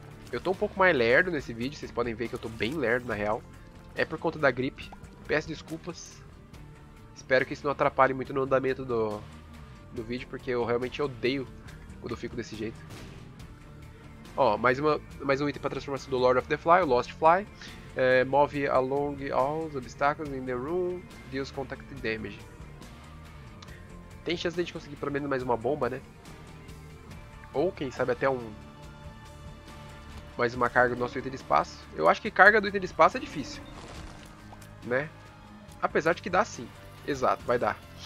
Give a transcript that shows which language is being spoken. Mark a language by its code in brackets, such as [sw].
[pt] Eu tô um pouco mais lerdo nesse vídeo. Vocês podem ver que eu tô bem lerdo, na real. É por conta da gripe. Peço desculpas. Espero que isso não atrapalhe muito no andamento do vídeo. Porque eu realmente odeio quando eu fico desse jeito. Ó, mais um item pra transformação do Lord of the Fly. O Lost Fly. [en] Move along all the obstacles in the room. Deals contact damage. [pt] Tem chance de a gente conseguir pelo menos mais uma bomba, né? Ou quem sabe até mais uma carga do nosso item de espaço. Eu acho que carga do item de espaço é difícil, né? Apesar de que dá sim. Exato, vai dar.